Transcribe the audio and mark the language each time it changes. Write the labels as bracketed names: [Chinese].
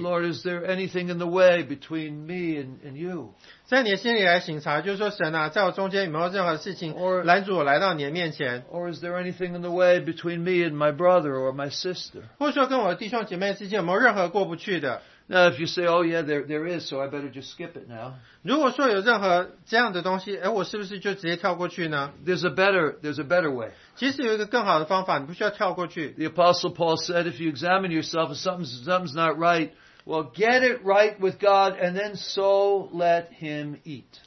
[English] Lord, is there anything in the way between me and you? [Chinese] 在你的心里来省察，就是说神啊，在我中间有没有任何事情拦阻我来到你的面前？ [English] Or is there anything in the way between me and my brother or my sister? [Chinese] 或者说跟我弟兄姐妹之间有没有任何过不去的？ [English] Now, if you say, "Oh yeah, there is," so I better just skip it now. [Chinese] 如果说有任何这样的东西，哎，我是不是就直接跳过去呢？ [English] There's a better way. [Chinese] 其实有一个更好的方法，你不需要跳过去。 [English] The Apostle Paul said, "If you examine yourself, if something's not right, well, get it right with God, and then so let Him eat."